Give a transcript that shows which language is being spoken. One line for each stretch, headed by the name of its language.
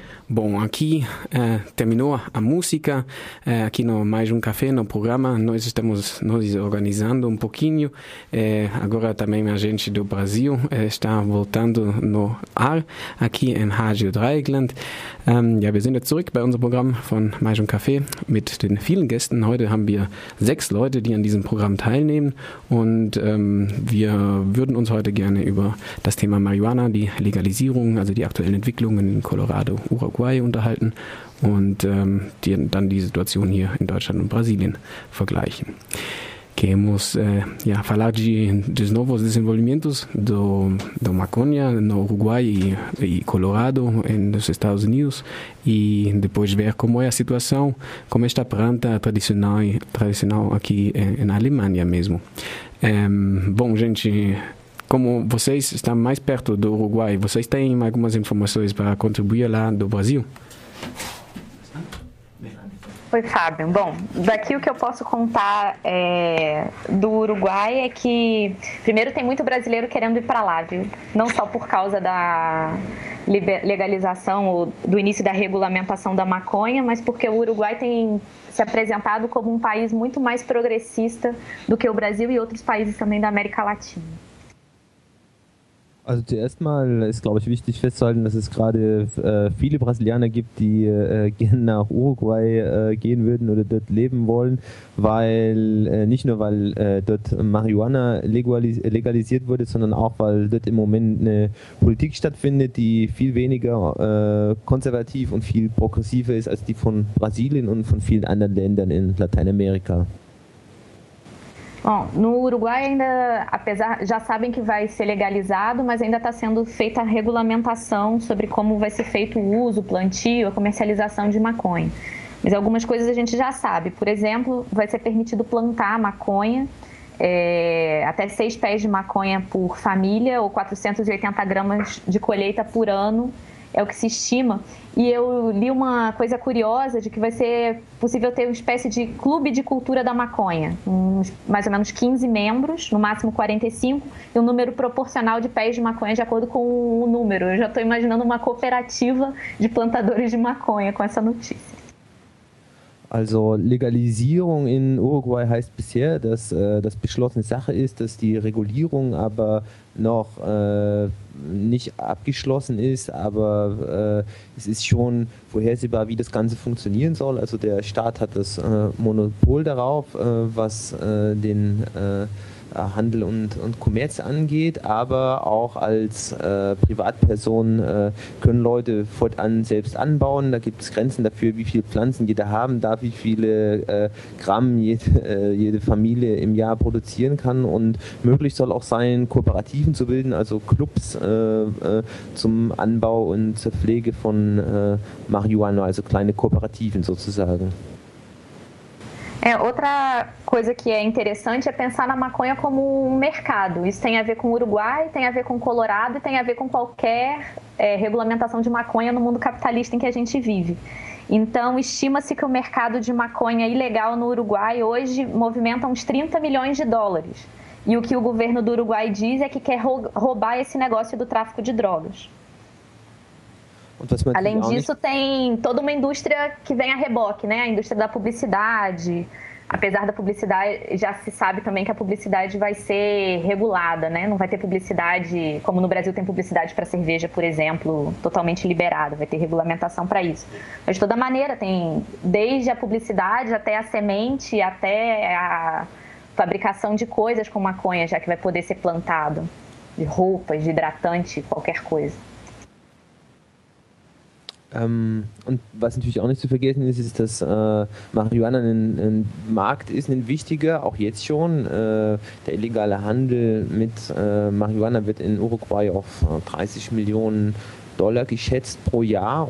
Portuguese: Bom, aqui terminou a música, aqui no Mais Um Café, no programa, nós estamos nos organizando um pouquinho, agora também a gente do Brasil está voltando no ar, aqui em Rádio Dreieckland.
German: Ja, wir sind jetzt zurück bei unserem Programm von Mais Um Café mit den vielen Gästen. Heute haben wir 6 Leute, die an diesem Programm teilnehmen und wir würden uns heute gerne über das Thema Marihuana, die Legalisierung, also die aktuellen Entwicklungen in Colorado, Uruguay unterhalten und dann die Situation hier in Deutschland und Brasilien vergleichen.
Portuguese: Queremos falar de novos desenvolvimentos do maconha no Uruguai e Colorado, nos Estados Unidos, e depois ver como é a situação com esta planta tradicional aqui na Alemanha mesmo. Bom, gente, como vocês estão mais perto do Uruguai, vocês têm algumas informações para contribuir lá do Brasil? Oi, Fábio. Bom, daqui o que eu posso contar do Uruguai é que, primeiro, tem muito brasileiro querendo ir para lá, viu? Não só por causa da legalização ou do início da regulamentação da maconha, mas porque o Uruguai tem se apresentado como um país muito mais progressista do que o Brasil e outros países também da América Latina.
German: Also zuerst mal ist, glaube ich, wichtig festzuhalten, dass es gerade viele Brasilianer gibt, die gerne nach Uruguay gehen würden oder dort leben wollen, weil nicht nur, weil dort Marihuana legalisiert wurde, sondern auch, weil dort im Moment eine Politik stattfindet, die viel weniger konservativ und viel progressiver ist als die von Brasilien und von vielen anderen Ländern in Lateinamerika.
Portuguese: Bom, no Uruguai ainda, apesar, já sabem que vai ser legalizado, mas ainda está sendo feita a regulamentação sobre como vai ser feito o uso, o plantio, a comercialização de maconha. Mas algumas coisas a gente já sabe. Por exemplo, vai ser permitido plantar maconha, até 6 pés de maconha por família ou 480 gramas de colheita por ano, é o que se estima. E eu li uma coisa curiosa de que vai ser possível ter uma espécie de clube de cultura da maconha, mais ou menos 15 membros, no máximo 45, e um número proporcional de pés de maconha de acordo com o número. Eu já estou imaginando uma cooperativa de plantadores de maconha com essa notícia.
German: Also Legalisierung in Uruguay heißt bisher, dass das beschlossene Sache ist, dass die Regulierung aber noch nicht abgeschlossen ist, aber es ist schon vorhersehbar, wie das Ganze funktionieren soll. Also der Staat hat das Monopol darauf, was den Handel und Kommerz angeht, aber auch als Privatperson können Leute fortan selbst anbauen. Da gibt es Grenzen dafür, wie viele Pflanzen jeder haben darf, wie viele Gramm jede Familie im Jahr produzieren kann. Und möglich soll auch sein, Kooperativen zu bilden, also Clubs zum Anbau und zur Pflege von Marihuana, also kleine Kooperativen sozusagen.
Portuguese: Outra coisa que é interessante é pensar na maconha como um mercado. Isso tem a ver com o Uruguai, tem a ver com o Colorado e tem a ver com qualquer regulamentação de maconha no mundo capitalista em que a gente vive. Então, estima-se que o mercado de maconha ilegal no Uruguai hoje movimenta uns $30 milhões. E o que o governo do Uruguai diz é que quer roubar esse negócio do tráfico de drogas. Além disso, tem toda uma indústria que vem a reboque, né? A indústria da publicidade. Apesar da publicidade, já se sabe também que a publicidade vai ser regulada, né? Não vai ter publicidade, como no Brasil tem publicidade para cerveja, por exemplo, totalmente liberada, vai ter regulamentação para isso. Mas de toda maneira, tem desde a publicidade até a semente, até a fabricação de coisas com maconha, já que vai poder ser plantado, de roupas, de hidratante, qualquer coisa.
German: Und was natürlich auch nicht zu vergessen ist, ist, dass Marihuana ein Markt ist, ein wichtiger, auch jetzt schon. Der illegale Handel mit Marihuana wird in Uruguay auf $30 Millionen geschätzt pro Jahr.